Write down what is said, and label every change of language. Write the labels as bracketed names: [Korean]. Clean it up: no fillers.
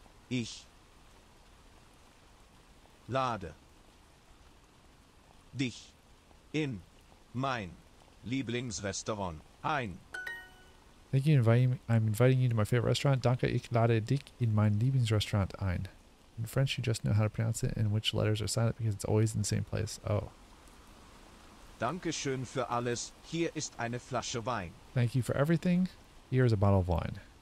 [German] Ich lade dich in mein Lieblingsrestaurant ein. [English] Thank you, I'm inviting you to my favorite restaurant. [German] Danke, ich lade dich in mein Lieblingsrestaurant ein. [English] In French, you just know how to pronounce it and which letters are silent because it's always in the same place. Oh. [German] Danke schön für alles. Hier ist eine Flasche Wein. [English] Thank you for everything. Here is a bottle of wine.